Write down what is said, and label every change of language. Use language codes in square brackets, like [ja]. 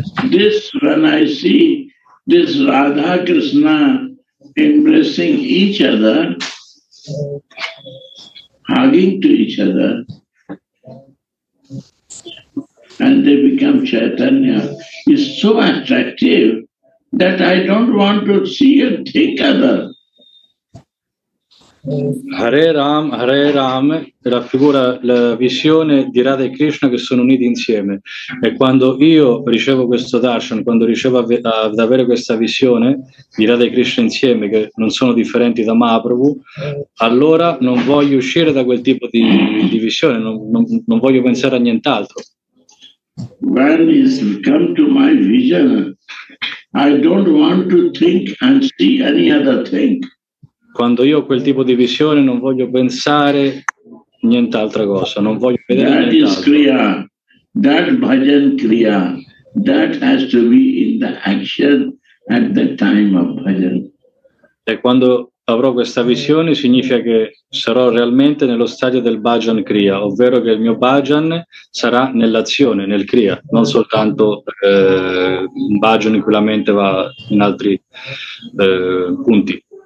[en] This, when I see this Radha Krishna embracing each other, hugging to each other, and they become Chaitanya, is so attractive that I don't want to see and think other. [it] Hare Ram raffigura la visione di Radha e Krishna che sono uniti insieme. E quando io ricevo questo darshan, quando ricevo ad avere questa visione di Radha e Krishna insieme, che non sono differenti da Mahaprabhu, allora non voglio uscire da quel tipo di visione, non voglio pensare a nient'altro. [en] When it comes to my vision, I don't want to think and see any other thing. [it] Quando io ho quel tipo di visione, non voglio pensare nient'altra cosa, non voglio vedere [en] that [it] nient'altro. [en] That is Kriya, that bhajan Kriya, that has to be in the action at the time of bhajan. [it] E quando avrò questa visione, significa che sarò realmente nello stadio del Bhajan Kriya, ovvero che il mio Bhajan sarà nell'azione, nel Kriya, non soltanto un Bhajan in cui la mente va in altri punti.